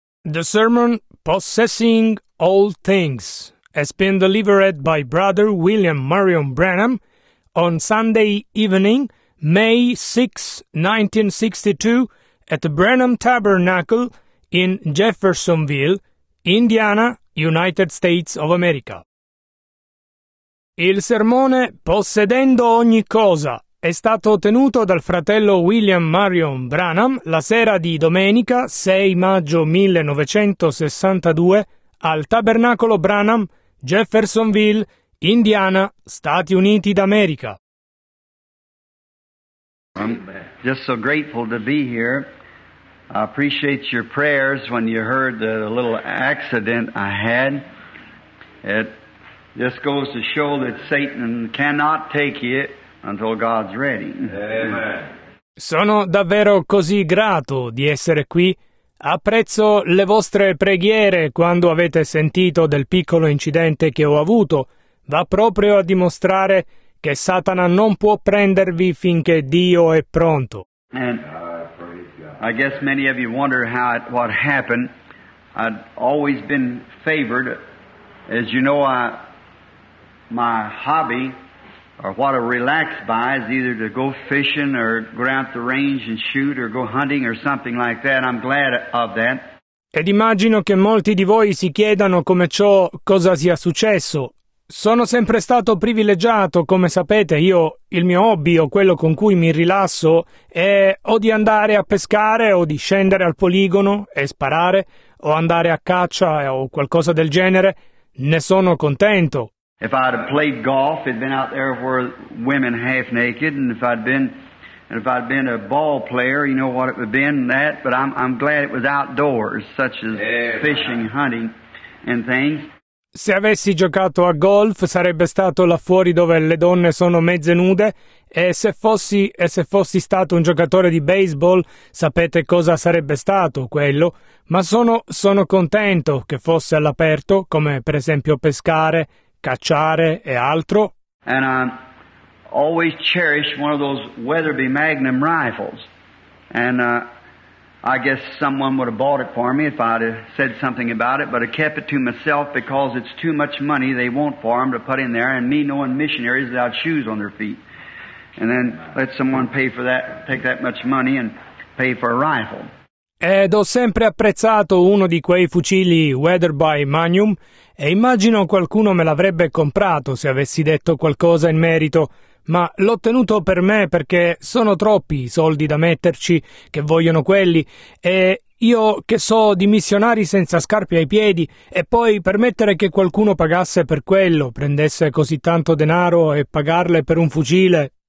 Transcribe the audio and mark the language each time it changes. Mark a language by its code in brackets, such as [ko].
[en] The sermon "Possessing All Things" has been delivered by Brother William Marion Branham on Sunday evening, May 6, 1962, at the Branham Tabernacle in Jeffersonville, Indiana, United States of America. [it] Il sermone "Possedendo ogni cosa" è stato tenuto dal fratello William Marion Branham la sera di domenica 6 maggio 1962 al Tabernacolo Branham, Jeffersonville, Indiana, Stati Uniti d'America. [en] I'm just so grateful to be here. I appreciate your prayers when you heard the little accident I had. It just goes to show that Satan cannot take it until God's ready. Amen. [it] Sono davvero così grato di essere qui. Apprezzo le vostre preghiere quando avete sentito del piccolo incidente che ho avuto. Va proprio a dimostrare che Satana non può prendervi finché Dio è pronto. [en] And I guess many of you wonder what happened. I'd always been favored. As you know, my hobby or what I relax by is either to go fishing or go out the range and shoot or go hunting or something like that. I'm glad of that. [it] Ed immagino che molti di voi si chiedano come ciò cosa sia successo. Sono sempre stato privilegiato, come sapete, io il mio hobby o quello con cui mi rilasso è o di andare a pescare o di scendere al poligono e sparare o andare a caccia o qualcosa del genere. Ne sono contento. [en] If I'd have played golf, I'd been out there where women half naked, and if I'd been a ball player, you know what it would have been, that, but I'm glad it was outdoors, such as fishing, hunting, and things. [it] Se avessi giocato a golf, sarebbe stato là fuori dove le donne sono mezze nude, e se fossi stato un giocatore di baseball, sapete cosa sarebbe stato quello, ma sono contento che fosse all'aperto, come per esempio pescare, cacciare e altro. [en] And I always cherished one of those Weatherby Magnum rifles, and I guess someone would have bought it for me if I'd have said something about it, but I kept it to myself because it's too much money they want for them to put in there, and me knowing missionaries without shoes on their feet, and then let someone pay for that, take that much money and pay for a rifle. [it] Ed ho sempre apprezzato uno di quei fucili Weatherby Magnum e immagino qualcuno me l'avrebbe comprato se avessi detto qualcosa in merito, ma l'ho tenuto per me perché sono troppi i soldi da metterci che vogliono quelli e io che so di missionari senza scarpe ai piedi e poi permettere che qualcuno pagasse per quello, prendesse così tanto denaro e pagarle per un fucile.